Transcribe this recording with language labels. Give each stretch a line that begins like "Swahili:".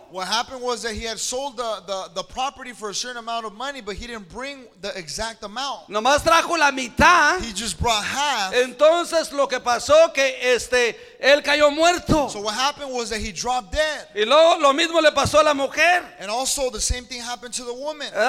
English: What happened was that he had sold the property for a certain amount of money, but he didn't bring the exact amount.
Spanish: Nomás trajo la mitad.
English: He just brought half.
Spanish: Entonces lo que pasó que él cayó muerto.
English: So what happened was that he dropped dead.
Spanish: Y luego lo mismo le pasó a la mujer.
English: And also the same thing happened to the woman.